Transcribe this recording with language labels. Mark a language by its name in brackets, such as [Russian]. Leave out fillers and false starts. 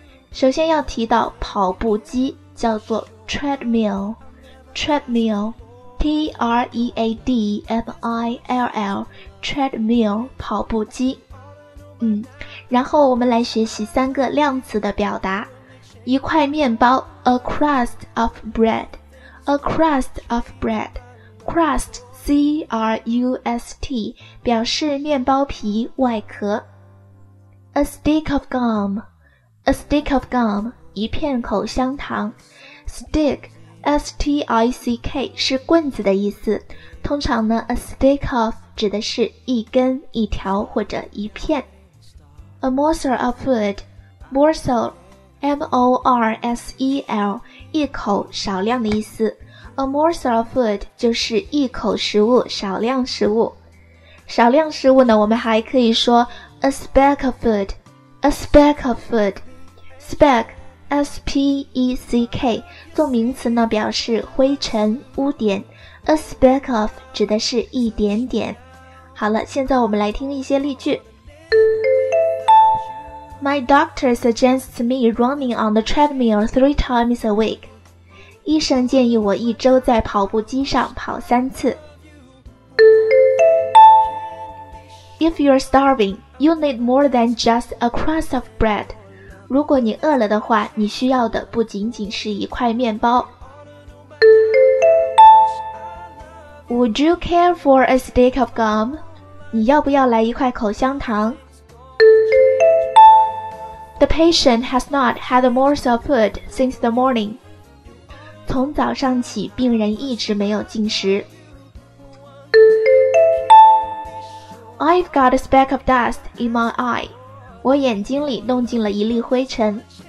[Chinese] 首先要提到跑步机，叫做 treadmill。 [English] treadmill, T-R-E-A-D-M-I-L-L, treadmill, 跑步机。 [Chinese] 然后我们来学习三个量词的表达。一块面包， [English] a crust of bread, a crust of bread, crust, C-R-U-S-T, [Chinese] 表示面包皮外壳。 [English] a stick of gum, a stick of gum, 一片口香糖。 [Chinese] stick,S-T-I-C-K 是棍子的意思，通常呢 [English] a stick of [Chinese] 指的是一根、一条或者一片。 [English] a morsel of food, morsel, M-O-R-S-E-L, [Chinese] 一口、少量的意思。 [English] a morsel of food [Chinese] 就是一口食物、少量食物。少量食物呢我们还可以说 [English] a speck of food, [Chinese] a speck of food, speck,S-P-E-C-K, 做名词呢表示灰尘、污点。 [English] A speck of [Chinese] 指的是一点点。好了，现在我们来听一些例句。 [English] My doctor suggests me running on the treadmill 3 times a week. [Chinese] 医生建议我一周在跑步机上跑三次。 [English] If you're starving, you need more than just a crust of bread. [Chinese] 如果你饿了的话，你需要的不仅仅是一块面包。 [English] Would you care for a stick of gum? [Chinese] 你要不要来一块口香糖？ [English] The patient has not had a morsel of food since the morning. [Chinese] 从早上起，病人一直没有进食。 [English] I've got a speck of dust in my eye. [Chinese] 我眼睛里弄进了一粒灰尘。